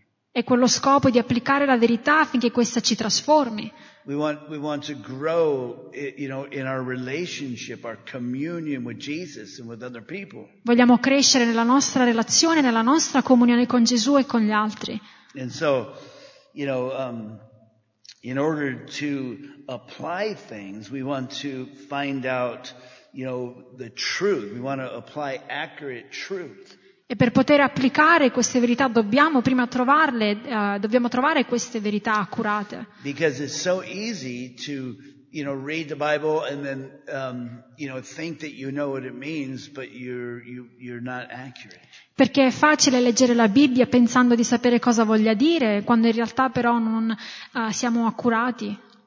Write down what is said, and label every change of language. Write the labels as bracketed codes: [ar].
[it] E quello scopo è di applicare la verità affinché questa ci trasformi. [en] We want to grow, you know, in our relationship, our communion with Jesus and with other people. [it] Vogliamo crescere nella nostra relazione, nella nostra comunione con Gesù e con gli altri. [en] And so, you know, in order to apply things, we want to find out, you know, the truth. We want to apply accurate truth. [it] E per poter applicare queste verità dobbiamo prima trovarle, dobbiamo trovare queste verità accurate. [en] Because it's so easy to, you know, read the Bible and then, you know, think that you know what it means, but you're not accurate. [it] Perché è facile leggere la Bibbia pensando di sapere cosa voglia dire, quando in realtà però non siamo accurati.